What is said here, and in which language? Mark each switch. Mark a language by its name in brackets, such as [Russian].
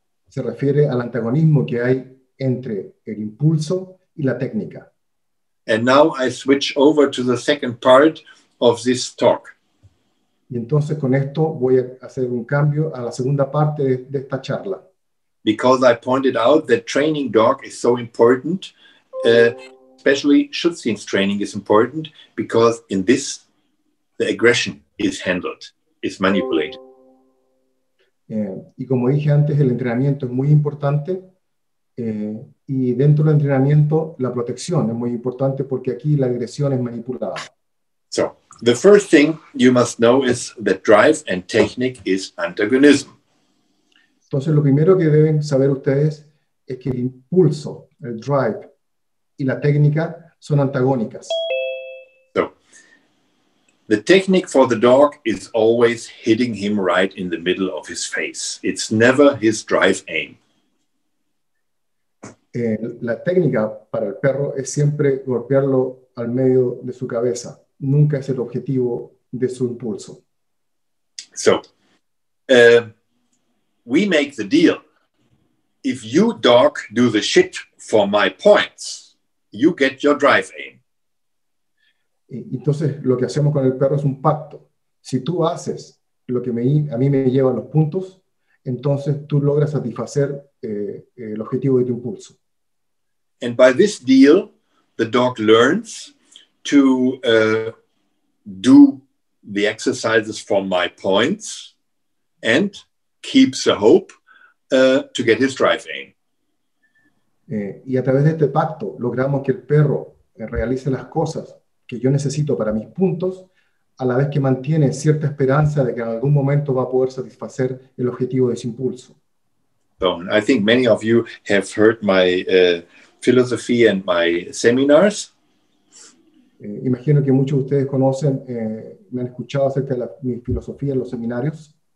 [Spanish] Se refiere al antagonismo que hay entre el impulso y la técnica. [English] And now I switch over to the second part of this talk. [Spanish] Y entonces con esto voy a hacer un cambio a la segunda parte de esta charla. [English] Because I pointed out that training dog is so important, especially Schutzhund's training is important because in this the aggression is handled, is manipulated. [Spanish] Y como dije antes, el entrenamiento es muy importante y dentro del entrenamiento la protección es muy importante porque aquí la agresión es manipulada. [English] So, the first thing you must know is that drive and technique is antagonism. [Spanish] Entonces, lo primero que deben saber ustedes es que el impulso, el drive y la técnica son antagónicas. [English] So, the technique for the dog is always hitting him right in the middle of his face. It's never his drive aim. [Spanish] La técnica para el perro es siempre golpearlo al medio de su cabeza. Nunca es el objetivo de su impulso. [English] So, we make the deal. If you dog do the shit for my points, you get your drive aim. [Spanish] Entonces, lo que hacemos con el perro es un pacto. Si tú haces lo que a mí me lleva los puntos, entonces tú logras satisfacer el objetivo de tu impulso. [English] And by this deal, the dog learns to do the exercises for my points and keeps a hope to get his drive aim. [Spanish] Y a través de este pacto logramos que el perro realice las cosas que yo necesito para mis puntos, a la vez que mantiene cierta esperanza de que en algún momento va a poder satisfacer el objetivo de su impulso. [English] So, I think many of you have heard my philosophy and my seminars. [Spanish] Imagino que muchos de ustedes conocen, me han escuchado acerca de mi filosofía en los seminarios.